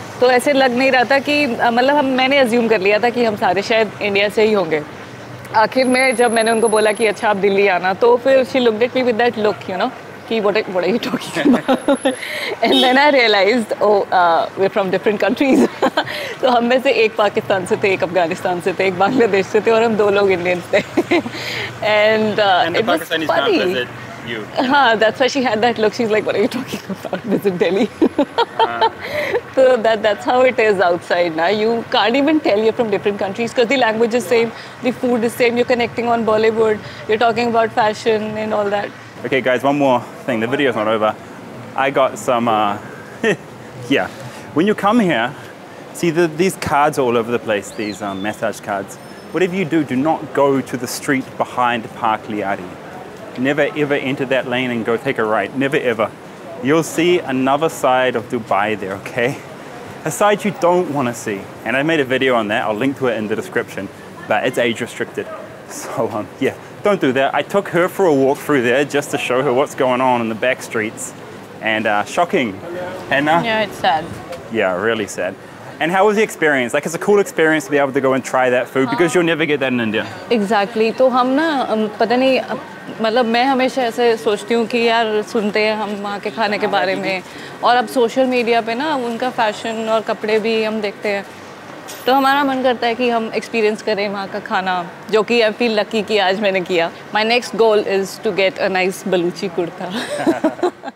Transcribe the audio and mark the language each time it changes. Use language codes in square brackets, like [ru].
[en] So it didn't seem like that. I mean, I assumed that we will probably be from India. Finally, when I told them that you will come to Delhi, she looked at me with that look, you know. What are you talking about? And then I realized, oh, we're from different countries. [hi] तो हम में से एक पाकिस्तान से थे, एक अफगानिस्तान से थे, एक बांग्लादेश से थे और हम दो लोग इंडियन थे. [en] And it was funny. हाँ, that's why she had that look. She is like, what are you talking about, this is Delhi. तो that's how it is outside. Now you can't even tell you from different countries because the language is same, the food is same, you connecting on Bollywood, you are talking about fashion and all that. Okay, guys, one more thing. The video's not over. I got some, yeah. When you come here, see these cards all over the place, these massage cards. Whatever you do, do not go to the street behind Park Liari. Never, ever enter that lane and go take a right. Never, ever. You'll see another side of Dubai there, okay? A side you don't want to see. And I made a video on that. I'll link to it in the description. But it's age-restricted. So, yeah. Don't do that. I took her for a walk through there just to show her what's going on in the back streets. And shocking. And, yeah, it's sad. Yeah, really sad. And how was the experience? Like, it's a cool experience to be able to go and try that food because you'll never get that in India. Exactly. So, we don't know. I always think about it. We listen to our food about it. And now, on social media, we see their fashion and clothes too. [hi] तो हमारा मन करता है कि हम experience करें वहाँ का खाना, जो कि [en] I feel lucky [hi] कि आज मैंने किया. [en] My next goal is to get a nice Balochi kurta.